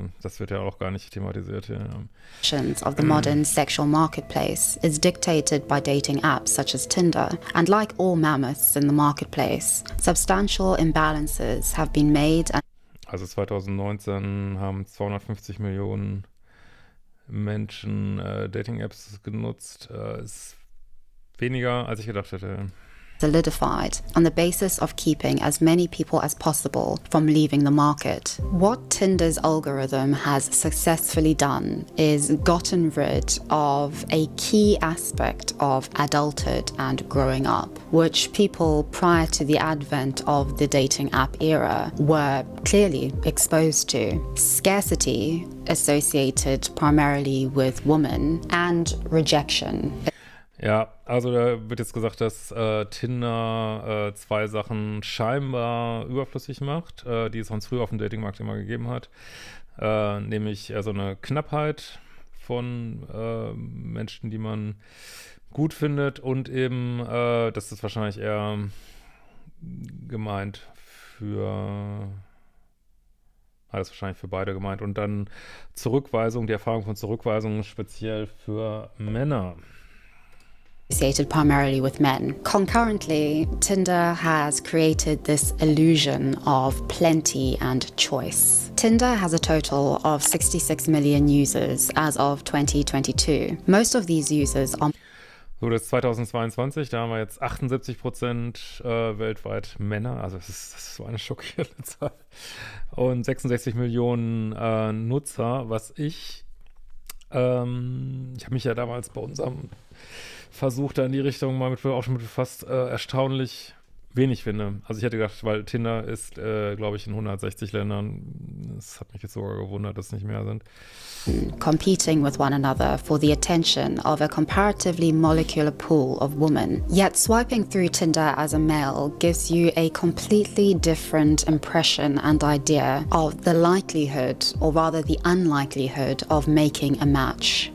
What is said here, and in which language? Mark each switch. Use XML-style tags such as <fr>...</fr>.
<de>Das wird ja auch gar nicht thematisiert hier.</de> <en>Of the modern sexual marketplace is dictated by dating apps such as Tinder. And like all mammoths in the marketplace, substantial imbalances have been made.</en> <de>Also 2019 haben 250 Millionen Menschen Dating-Apps genutzt, ist weniger, als ich gedacht hätte.</de> <en>Solidified on the basis of keeping as many people as possible from leaving the market. What Tinder's algorithm has successfully done is gotten rid of a key aspect of adulthood and growing up, which people prior to the advent of the dating app era were clearly exposed to. Scarcity associated primarily with women and rejection.</en> <de>Ja, also da wird jetzt gesagt, dass Tinder zwei Sachen scheinbar überflüssig macht, die es sonst früher auf dem Datingmarkt immer gegeben hat. Nämlich so eine Knappheit von Menschen, die man gut findet und eben, das ist wahrscheinlich eher gemeint für, alles wahrscheinlich für beide gemeint. Und dann Zurückweisung, die Erfahrung von Zurückweisung speziell für Männer.</de> <en>Associated primarily with men. Concurrently, Tinder has created this illusion of plenty and choice. Tinder has a total of 66 million users as of 2022. Most of these users are.</en> <de>So, das ist 2022, da haben wir jetzt 78% weltweit Männer, also das ist so eine schockierende Zahl. Und 66 Millionen Nutzer, was ich. Ich habe mich ja damals bei unserem Versuch da in die Richtung mal mit auch schon mit fast erstaunlich wenig finde. Also ich hätte gedacht, weil Tinder ist, glaube ich, in 160 Ländern. Es hat mich jetzt sogar gewundert, dass es nicht mehr sind.</de> <en>Competing with one another for the attention of a comparatively molecular pool of women. Yet swiping through Tinder as a male gives you a completely different impression and idea of the likelihood, or rather the unlikelihood, of making a match.</en>